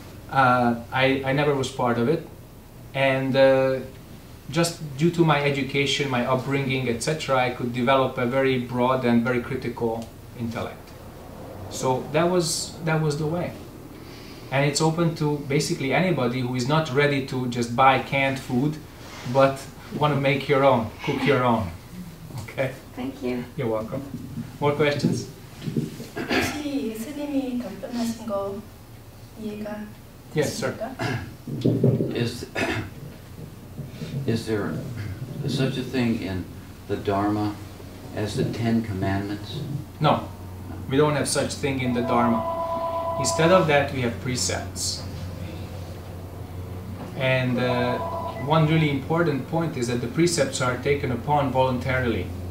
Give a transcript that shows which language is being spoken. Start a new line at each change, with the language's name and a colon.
English: I never was part of it. And just due to my education, my upbringing, etc., I could develop a very broad and very critical intellect. So that was the way. And it's open to basically anybody who is not ready to just buy canned food, but want to make your own, cook your own. Okay? Thank you. You're welcome. More questions?
Korean: 혹시 스님이 답변하신 거 이해가 됐습니까?
English: Yes, sir. Is there such a thing in the Dharma as the Ten Commandments? No. We don't have such thing in the Dharma. Instead of that, we have precepts. And one really important point is that the precepts are taken upon voluntarily.